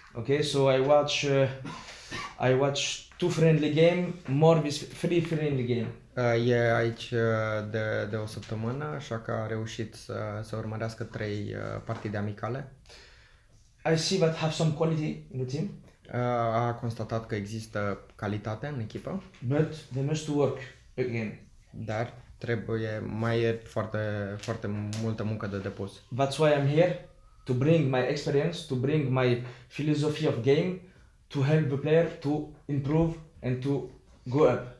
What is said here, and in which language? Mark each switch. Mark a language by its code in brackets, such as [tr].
[en] Ok, so I watch two friendly game, more with three friendly game. [ro] E aici de o săptămână, așa că a reușit să urmărească trei partide amicale. [en] I see that have some quality in the team. [ro] A constatat că există calitate în echipă. [en] But they must work again. [ro] Dar trebuie mai foarte foarte multă muncă de depus. [en] That's why I'm here to bring my experience, to bring my philosophy of game to help the player to improve and to go up.